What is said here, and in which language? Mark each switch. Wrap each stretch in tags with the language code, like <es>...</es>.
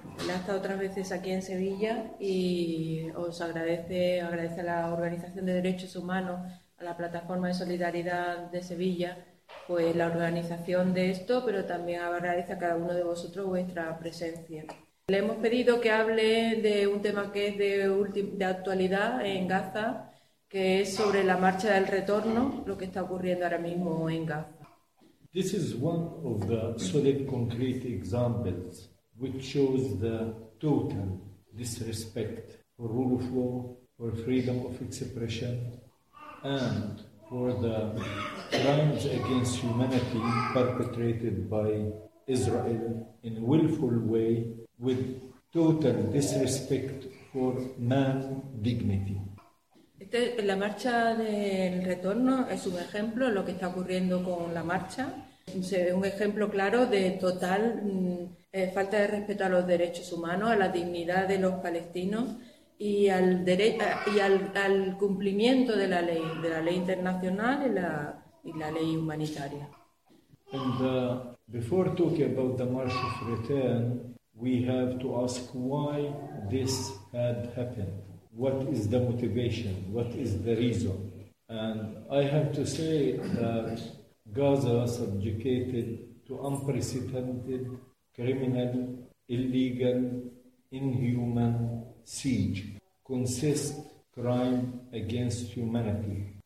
<es>Él ha estado otras veces aquí en Sevilla y os agradece a la Organización de Derechos Humanos, a la Plataforma de Solidaridad de Sevilla, pues la organización de esto, pero también agradece a cada uno de vosotros vuestra presencia. Le hemos pedido que hable de un tema que es de actualidad en Gaza, que es sobre la marcha del retorno, lo que está ocurriendo ahora mismo en Gaza.</es> <en>This is one of the solid concrete examples which shows the total disrespect for rule of law, for freedom of expression and for the crimes against humanity perpetrated by Israel in a willful way, with total disrespect for man dignity.</en> <es>La marcha del retorno es un ejemplo de lo que está ocurriendo con la marcha. Es un ejemplo claro de total falta de respeto a los derechos humanos, a la dignidad de los palestinos y al cumplimiento de la ley internacional y la ley humanitaria.</es> <en>And before talking about the March of Return, we have to ask why this had happened. What is the motivation? What is the reason? And I have to say that Gaza subjugated to unprecedented, criminal, illegal, inhuman siege consists crime against humanity.</en>